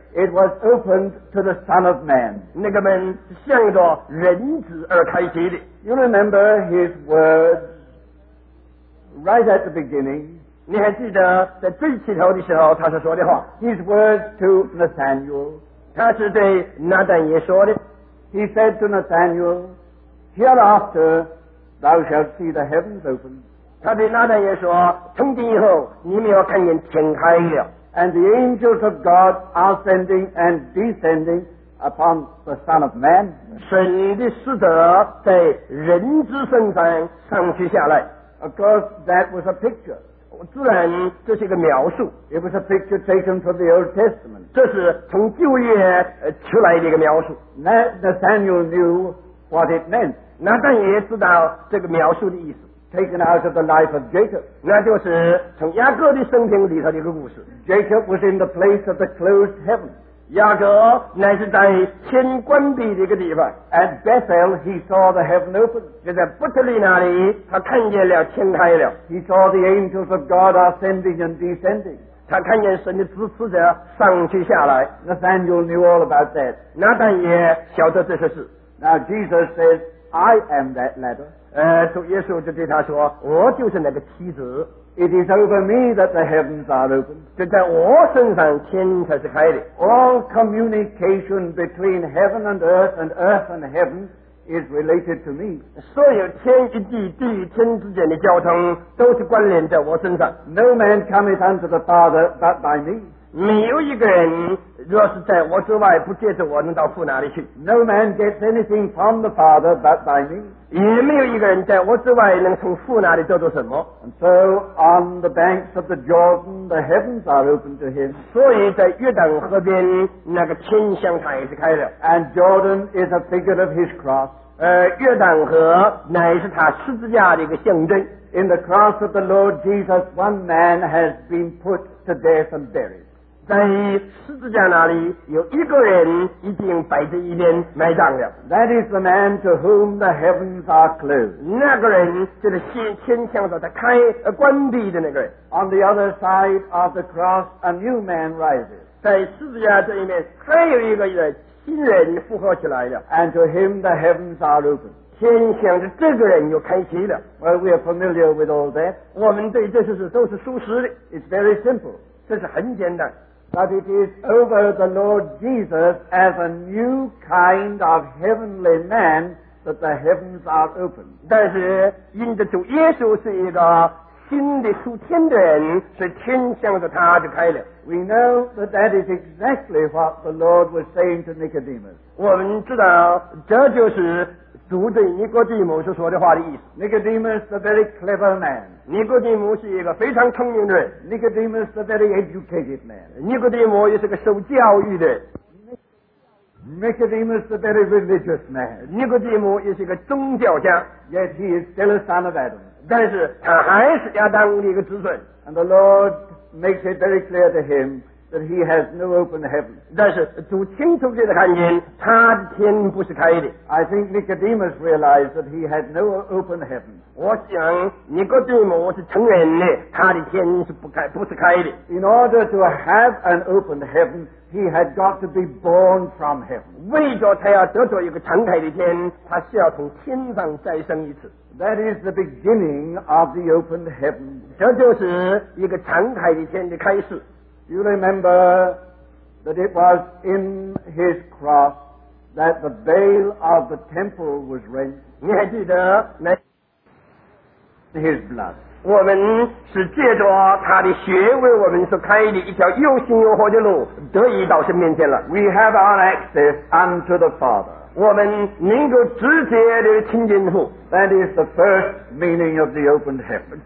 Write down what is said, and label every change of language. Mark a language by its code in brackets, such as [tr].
[en] It was opened to the Son of Man. [zh] 那个门是向着人子而开启的。 [en] You remember his words right at the beginning. [zh] 你还记得在最起头的时候他所说的话。 [en] His words to Nathaniel. [zh] 他是对拿但也说的。 [en] He said to Nathaniel, Hereafter thou shalt see the heavens open. [zh] 他对拿单也说，从今以后你们要看见天开了。 [en] And the angels of God are ascending and descending upon the Son of Man. [zh] 神的使者在人之身上上去下来。 [en] Of course that was a picture. [zh] 自然这是一个描述。 [en] It was a picture taken from the Old Testament. [zh] 这是从旧约出来的一个描述。 [en] Nathaniel knew what it meant. [zh] 拿单也知道这个描述的意思。 [en] Taken out of the life of Jacob. [zh] 那就是从雅各的生平里头的一个故事。 [en] Jacob was in the place of the closed heaven. [zh] 雅各乃是在天关闭的一个地方。 [en] At Bethel, he saw the heaven open. [zh] 就在伯特利那里，他看见了天开了。 [en] He saw the angels of God ascending and descending. [zh] 他看见神的支持者上去下来。 [en] Nathaniel knew all about that. [zh] 拿但也晓得这些事。 [en] Now Jesus says, I am that ladder. [zh] 主耶稣就对他说，我就是那个梯子。 [en] It is over me that the heavens are open. [zh] 就在我身上天才是开的。 [en] All communication between heaven and earth and earth and heaven is related to me. [zh] 所有天与地、地与天之间的交通都是关联在我身上。 [en] No man cometh unto the Father but by me. [zh] 没有一个人若是在我之外不借着我能到父那里去。 [en] No man gets anything from the Father but by me. [zh] 也没有一个人在我之外能从父那里得到什么。 [en] And so on the banks of the Jordan the heavens are open to him. [zh] 所以在约旦河边那个天向他也是开的。 [en] And Jordan is a figure of his cross. [zh] 约旦河乃是他十字架的一个象征。 [en] In the cross of the Lord Jesus one man has been put to death and buried. [zh] 在十字架那里有一个人已经摆着一边埋葬了。 [en] That is the man to whom the heavens are closed. [zh] 那个人就是天向着他开关闭的那个人。 [en] On the other side of the cross a new man rises. [zh] 在十字架这一面还有一个人新人复活起来了。 [en] And to him the heavens are open. [zh] 天向着这个人又开启了。 [en] Well, we are familiar with all that. [zh] 我们对这些事都是熟识的。 [en] It's very simple. [zh] 这是很简单。 [en] But it is over the Lord Jesus as a new kind of heavenly man that the heavens are open. [zh] 但是因着主耶稣是一个新的属天的人，所以天向着他就开了。 [en] We know that that is exactly what the Lord was saying to Nicodemus. [zh] 我们知道这就是主对尼哥底母所说的话的意思。 [en] Nicodemus, the very clever man. [zh] 尼哥底母是一个非常聪明的人。 [en] Nicodemus, the very educated man. [zh] 尼哥底母也是个受教育的人。 [en] Nicodemus, the very religious man. [zh] 尼哥底母也是个宗教家。 [en] Yet he is still a son of Adam. [zh] 但是他还是亚当的一个子孙。 [en] And the Lord makes it very clear to him. That he has no open heaven. [zh] 但是主清楚地看见他的天不是开的。 [en] I think Nicodemus realized that he had no open heaven. [zh] 我想尼哥底母是承认的，他的天是不是开的。 [en] In order to have an open heaven, he had got to be born from heaven. [zh] 为着他要得到一个敞开的天，他需要从天上再生一次。 [en] That is the beginning of the open heaven. [zh] 这就是一个敞开的天的开始。 [en] You remember that it was in his cross that the veil of the temple was rent. [zh] 你还记得那 [en] his blood. [zh] 我们是借着他的血为我们所开的一条又新又活的路得以到神面前了。 [en] We have our access unto the Father. [zh] 我们能够直接的亲近父。 [en] That is the first meaning of the opened heaven.